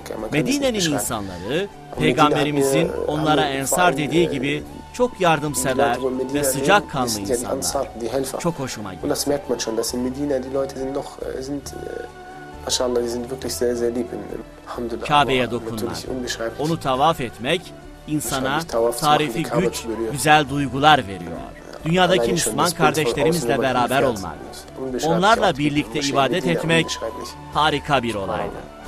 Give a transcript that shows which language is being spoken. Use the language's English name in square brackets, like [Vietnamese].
[Turkish] Medine'nin insanları, Peygamberimizin onlara ensar dediği gibi, çok yardımsever ve sıcakkanlı insanlar. Çok hoşuma gitti. [German] Und das merkt man schon, dass in Medina die Leute sind noch sind maşallah, die sind wirklich sehr sehr lieb. [Arabic] Alhamdulillah. [Turkish] Kabe'ye dokunmak, onu tavaf etmek insana tarifi güç, güzel duygular veriyor. Dünyadaki Müslüman kardeşlerimizle beraber olmak, onlarla birlikte ibadet etmek harika bir olaydı.